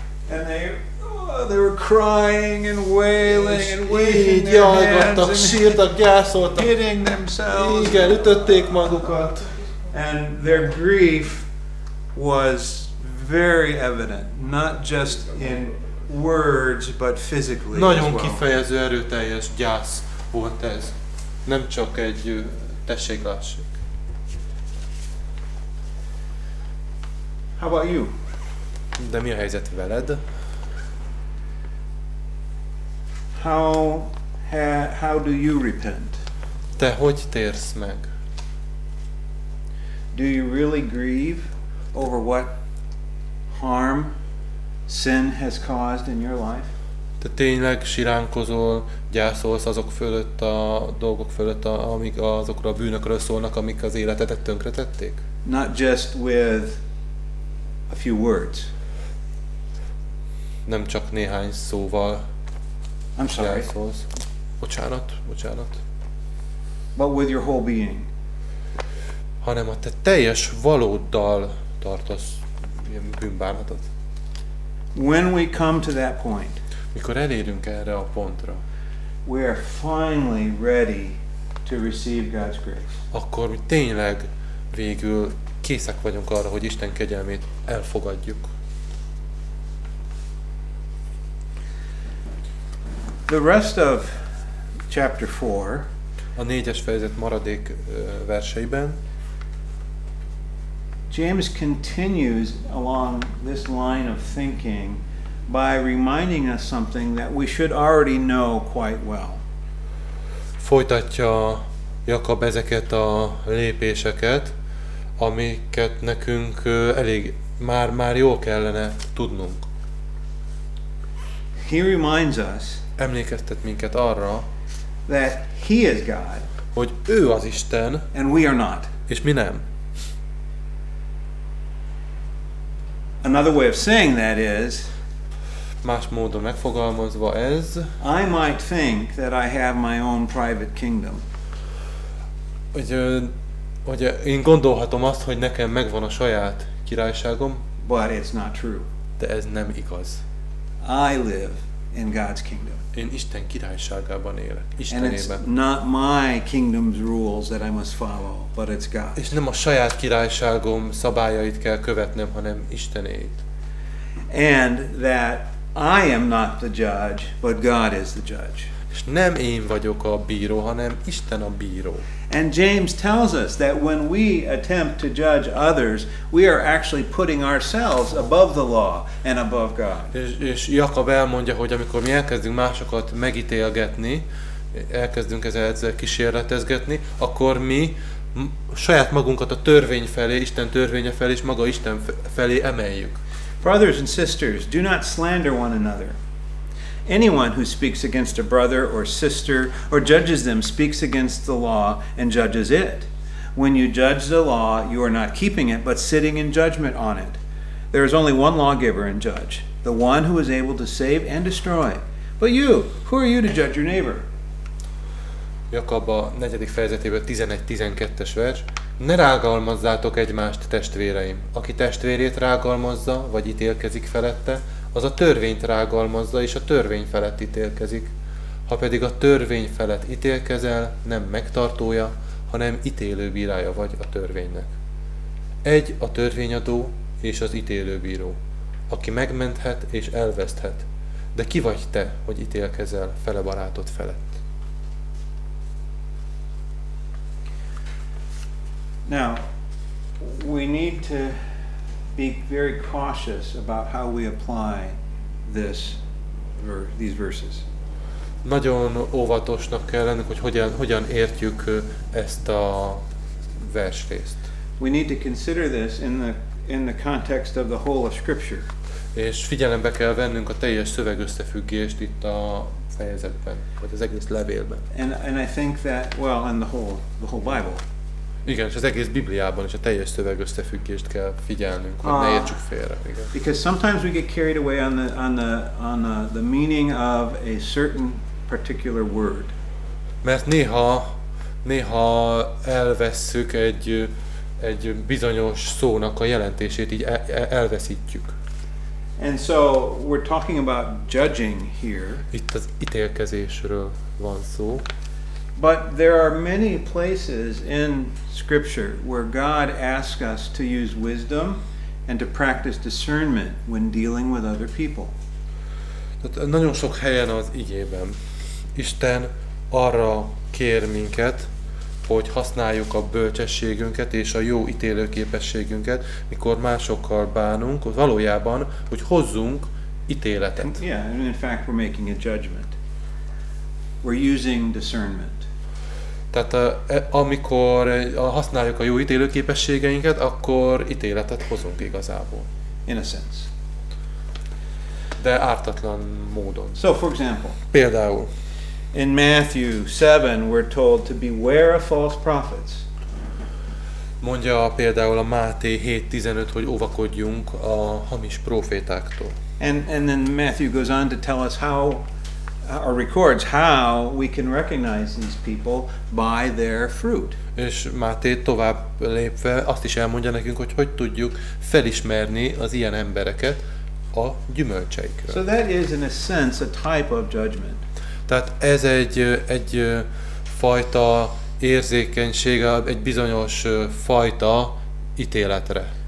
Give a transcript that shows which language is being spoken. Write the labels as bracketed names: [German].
[English] And they were crying and wailing and weeping. [Hungarian] Jajgattak, sírtak, gyászoltak. [English] Hitting themselves. [Hungarian] Igen, ütötték magukat. [English] And their grief was very evident, not just in words, but physically. [Hungarian] Nagyon [English] as well. [Hungarian] Kifejező, erőteljes gyász volt ez. Nem csak egy tessék-lássék. [English] How about you? [Hungarian] De mi a helyzet veled? [English] How do you repent? [Hungarian] Te hogy térsz meg? [English] Do you really grieve over what harm sin has caused in your life? [Hungarian] Te tényleg siránkozol, gyászolsz azok fölött, a dolgok fölött, amik azokra a bűnökről szólnak, amik az életedet tönkretették? [English] Not just with a few words. [Hungarian] Nem csak néhány szóval. [English] I'm sorry. [Hungarian] Gyászolsz. Bocsánat. [English] But with your whole being. [Hungarian] Hanem a te teljes valóddal tartasz ilyen bűnbánatot. [English] When we come to that point, [Hungarian] mikor elérünk erre a pontra, [English] we are finally ready to receive God's grace. [Hungarian] Akkor mi tényleg végül készek vagyunk arra, hogy Isten kegyelmét elfogadjuk. [English] The rest of chapter 4, [Hungarian] a négyes fejezet maradék verseiben, [English] James continues along this line of thinking by reminding us something that we should already know quite well. [Hungarian] Folytatja Jakab ezeket a lépéseket, amiket nekünk elég már jól kellene tudnunk. [English] He reminds us, [Hungarian] emlékeztet minket arra, [English] that he is God, [Hungarian] hogy ő az Isten, [English] and we are not. [Hungarian] És mi nem. [English] Another way of saying that is, [Hungarian] más módon megfogalmazva ez, [English] I might think that I have my own private kingdom. [Hungarian] Hogy én gondolhatom azt, hogy nekem megvan a saját királyságom, [English] but it's not true. [Hungarian] De ez nem igaz. [English] I live in God's kingdom. [Hungarian] Én Isten királyságában élek, Istenében. [English] And it's not my kingdom's rules that I must follow, but it's God. [Hungarian] És nem a saját királyságom szabályait kell követnem, hanem Istenét. [English] and that I am not the judge, but God is the judge. [Hungarian] És nem én vagyok a bíró, hanem Isten a bíró. [English] And James tells us that when we attempt to judge others, we are actually putting ourselves above the law and above God. [Hungarian] És Jakab elmondja, hogy amikor mi elkezdünk másokat megítélgetni, elkezdünk ezzel kísérletezgetni, akkor mi saját magunkat a törvény felé, Isten törvénye felé és maga Isten felé emeljük. [English] Brothers and sisters, do not slander one another. Anyone who speaks against a brother or sister or judges them speaks against the law and judges it. When you judge the law, you are not keeping it, but sitting in judgment on it. There is only one lawgiver and judge, the one who is able to save and destroy. But you, who are you to judge your neighbor? [Hungarian] Jakab a 4. fejezetében 11-12-es vers. Ne rágalmazzátok egymást, testvéreim. Aki testvérét rágalmazza, vagy ítélkezik felette, az a törvényt rágalmazza, és a törvény felett ítélkezik. Ha pedig a törvény felett ítélkezel, nem megtartója, hanem ítélő bírája vagy a törvénynek. Egy a törvényadó és az ítélőbíró, aki megmenthet és elveszthet. De ki vagy te, hogy ítélkezel fele barátod felett? [English] Now, we need to be very cautious about how we apply this these verses. [Hungarian] Nagyon óvatosnak kell lennünk, hogy hogyan értjük ezt a versrészt. [English] We need to consider this in the context of the whole of Scripture. [Hungarian] És figyelembe kell vennünk a teljes szöveg összefüggést itt a fejezetben, vagy az egész levélben. [English] And I think that and the whole Bible. [Hungarian] Igen, és az egész Bibliában is a teljes szöveg összefüggést kell figyelnünk, hogy ne értsük félre. Igen. [English] Because sometimes we get carried away on the meaning of a certain particular word. [Hungarian] Mert néha elvesszük egy bizonyos szónak a jelentését, így elveszítjük. [English] And so we're talking about judging here. [Hungarian] Itt az ítélkezésről van szó. [English] But there are many places in Scripture where God asks us to use wisdom and to practice discernment when dealing with other people. [Hungarian] Nagyon sok helyen az igében Isten arra kér minket, hogy használjuk a bölcsességünket és a jó ítélőképességünket, mikor másokkal bánunk, valójában, hogy hozzunk ítéletet. [English] Yeah, in fact we're making a judgment. We're using discernment. [Hungarian] Tehát amikor használjuk a jó ítélőképességeinket, akkor ítéletet hozunk igazából. [English] In a sense. [Hungarian] De ártatlan módon. [English] So, for example. [Hungarian] Például. [English] In Matthew 7, we're told to beware of false prophets. [Hungarian] Mondja például a Máté 7:15, hogy óvakodjunk a hamis prófétáktól. [English] And then Matthew goes on to tell us how or records how we can recognize these people by their fruit. [Hungarian] És Máté tovább lépve azt is elmondja nekünk, hogy tudjuk felismerni az ilyen embereket a gyümölcseikről. [English] So that is in a sense a type of judgment. [Hungarian] Tehát ez egy fajta érzékenység, egy bizonyos fajta ítéletre.